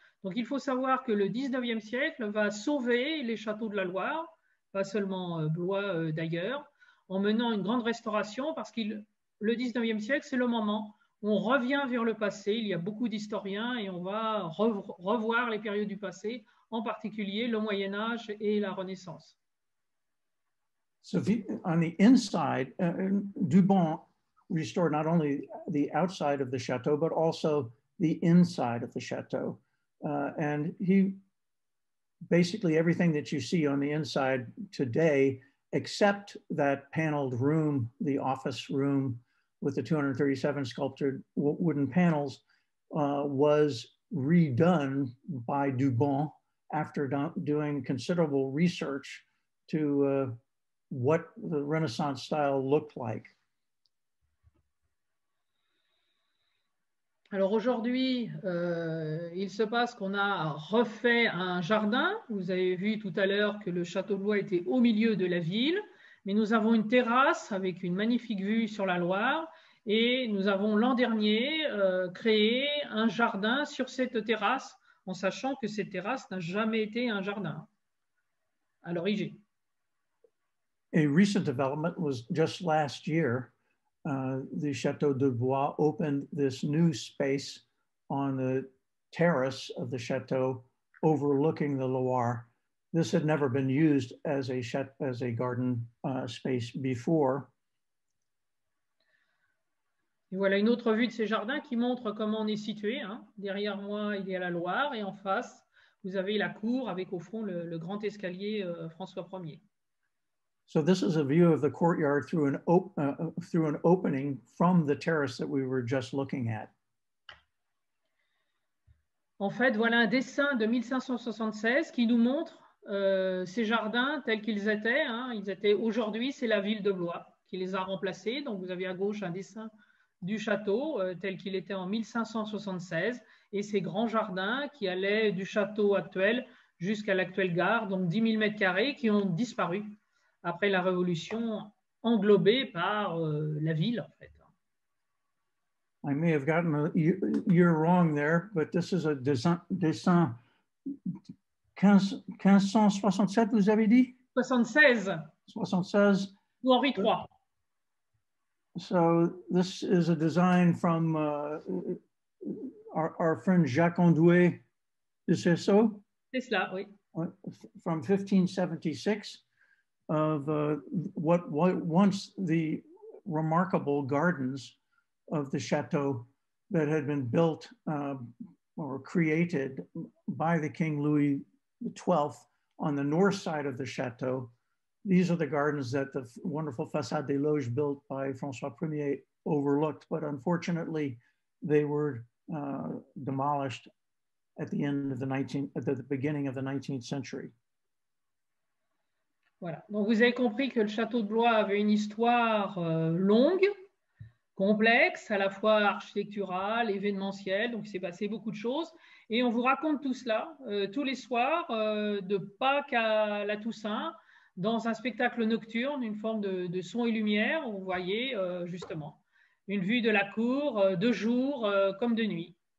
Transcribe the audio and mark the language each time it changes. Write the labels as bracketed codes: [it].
[fr] Donc, il faut savoir que le 19e siècle va sauver les châteaux de la Loire, pas seulement Blois d'ailleurs, en menant une grande restauration parce que le 19e siècle, c'est le moment où on revient vers le passé. Il y a beaucoup d'historiens et on va revoir les périodes du passé, en particulier le Moyen Âge et la Renaissance. [en] So on the inside, Duban restored not only the outside of the chateau, but also the inside of the chateau. And he basically everything that you see on the inside today, except that paneled room, the office room with the 237 sculpted wooden panels, was redone by Duban after doing considerable research to what the Renaissance style looked like. [fr] Alors aujourd'hui, il se passe qu'on a refait un jardin. Vous avez vu tout à l'heure que le château de Blois était au milieu de la ville, mais nous avons une terrasse avec une magnifique vue sur la Loire et nous avons l'an dernier créé un jardin sur cette terrasse en sachant que cette terrasse n'a jamais été un jardin à l'origine. [en] A recent development was just last year. The Chateau de Blois opened this new space on the terrace of the chateau overlooking the Loire. This had never been used as a garden space before. [fr] Et voilà une autre vue de ces jardins qui montre comment on est situé. Hein. Derrière moi, il y a la Loire et en face, vous avez la cour avec au fond le grand escalier François Ier. [en] So this is a view of the courtyard through an opening from the terrace that we were just looking at. [fr] En fait, voilà un dessin de 1576 qui nous montre ces jardins tels qu'ils étaient. Hein. Ils étaient aujourd'hui, c'est la ville de Blois qui les a remplacés. Donc vous avez à gauche un dessin du château tel qu'il était en 1576 et ces grands jardins qui allaient du château actuel jusqu'à l'actuelle gare, donc 10 000 mètres carrés qui ont disparu après la Révolution, englobée par la ville, en fait. [en] I may have gotten a year wrong there, but this is a dessin 1567, [fr] vous avez dit? 76. Ou Henri III. [en] So this is a design from our friend Jacques Andoué, is this so? [fr] C'est cela, oui. [en] From 1576. Of what once the remarkable gardens of the chateau that had been built or created by the King Louis XII on the north side of the chateau. These are the gardens that the wonderful Façade des Loges built by François Premier overlooked, but unfortunately they were demolished at the beginning of the 19th century. [fr] Voilà. Donc vous avez compris que le château de Blois avait une histoire longue, complexe, à la fois architecturale, événementielle, donc il s'est passé beaucoup de choses. Et on vous raconte tout cela tous les soirs, de Pâques à la Toussaint, dans un spectacle nocturne, une forme de son et lumière, où vous voyez justement une vue de la cour de jour comme de nuit.